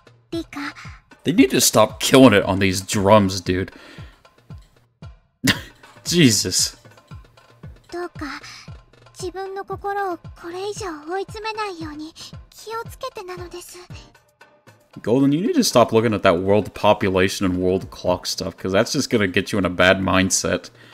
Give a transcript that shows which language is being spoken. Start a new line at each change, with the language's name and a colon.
English: They need to stop killing it on these drums, dude. Jesus.
Japanese: Doka, 自分の心をこれ以上追い詰めないように気をつけてなのです。
English: Golden, you need to stop looking at that world population and world clock stuff, because that's just going to get you in a bad mindset.